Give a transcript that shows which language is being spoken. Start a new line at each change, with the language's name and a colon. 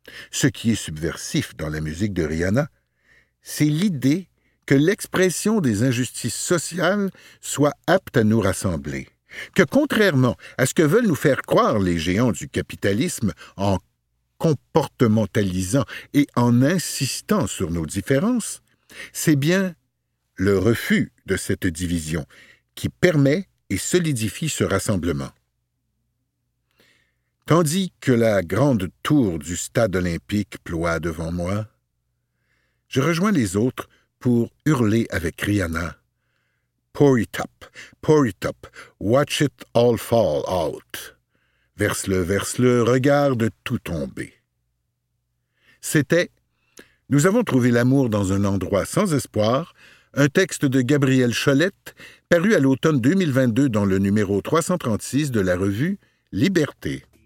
French: Ce qui est subversif dans la musique de Rihanna, c'est l'idée que l'expression des injustices sociales soit apte à nous rassembler, que contrairement à ce que veulent nous faire croire les géants du capitalisme en comportementalisant et en insistant sur nos différences, c'est bien le refus de cette division qui permet et solidifie ce rassemblement. Tandis que la grande tour du stade olympique ploie devant moi, je rejoins les autres pour hurler avec Rihanna.
English: Pour it up, watch it all fall out.
French: Verse-le, regarde tout tomber. C'était « Nous avons trouvé l'amour dans un endroit sans espoir », un texte de Gabriel Cholette, paru à l'automne 2022 dans le numéro 336 de la revue Liberté.